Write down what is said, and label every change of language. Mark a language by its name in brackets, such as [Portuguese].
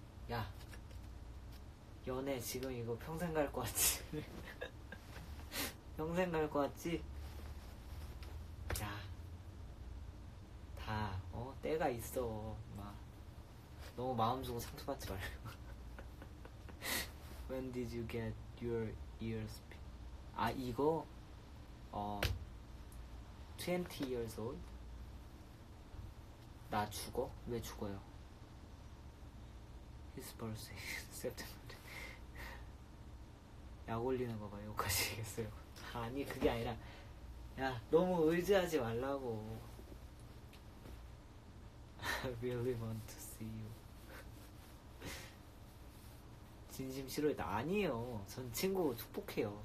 [Korean] 야 연애 지금 이거 평생 갈 것 같지? 평생 갈 것 같지? 야 다 어 때가 있어. 막 너무 마음 주고 상처 받지 말고. [English] When did you get your ears? [Korean] 아 이거 어 [English] 20 years old? [Korean] 나 죽어? 왜 죽어요? [English] His birthday September. [Korean] 약 올리는 거 봐, 욕하시겠어요? 아니 그게 아니라 야 너무 의지하지 말라고. [English] I really want to see you. [Korean] 진심 싫어했다. 아니에요. 전 친구 축복해요.